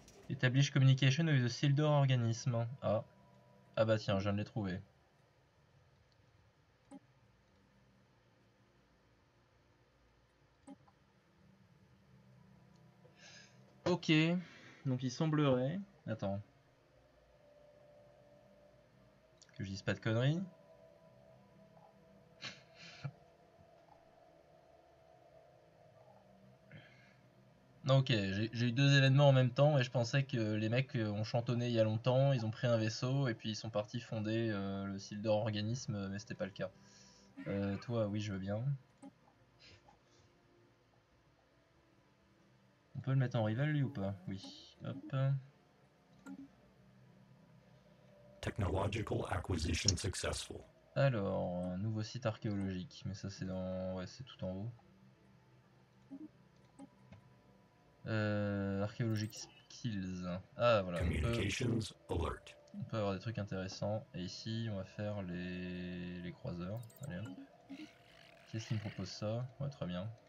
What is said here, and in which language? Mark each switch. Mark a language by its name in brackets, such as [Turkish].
[English] Establish communication with the Sildor organism. [French] Ah bah tiens, je viens de les trouver. Ok, donc il semblerait... Attends. Que je dise pas de conneries. Non, ok, j'ai eu deux événements en même temps et je pensais que les mecs ont chantonné il y a longtemps, ils ont pris un vaisseau et puis ils sont partis fonder le Sildor Organisme, mais c'était pas le cas. Toi, oui, je veux bien. On peut le mettre en rival, lui, ou pas? Oui. Hop. [English] Technological acquisition successful. [French] Alors, un nouveau site archéologique, mais ça c'est dans... Ouais, c'est tout en haut. Archéologique skills. Ah voilà, [English] Communications alert. [French] on peut avoir des trucs intéressants. Et ici, on va faire les croiseurs. Allez hop. Qu'est-ce qui me propose ça? Ouais, très bien.